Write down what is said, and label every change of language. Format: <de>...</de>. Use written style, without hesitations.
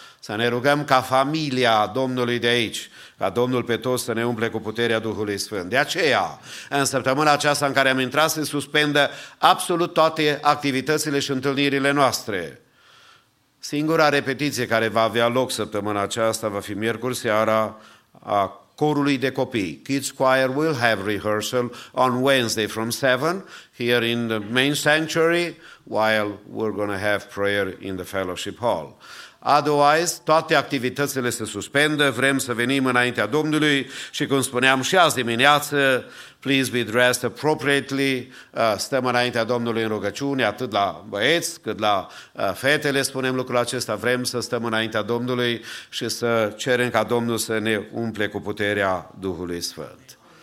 <ro>Să ne rugăm ca familia Domnului de aici, ca Domnul pe toți să ne umple cu puterea Duhului Sfânt. De aceea, în săptămâna aceasta în care am intrat, se suspendă absolut toate activitățile și întâlnirile noastre. Singura repetiție care va avea loc săptămâna aceasta va fi miercuri seara a corului de copii.</ro> <en>Kids Choir will have rehearsal on Wednesday from 7 here in the main sanctuary while we're going to have prayer in the fellowship hall. Otherwise,</en> <ro>toate activitățile se suspendă, vrem să venim înaintea Domnului și, cum spuneam și azi dimineață,</ro> <en>please be dressed appropriately,</en> <ro>stăm înaintea Domnului în rugăciune, atât la băieți cât la fetele, spunem lucrul acesta, vrem să stăm înaintea Domnului și să cerem ca Domnul să ne umple cu puterea Duhului Sfânt.</ro>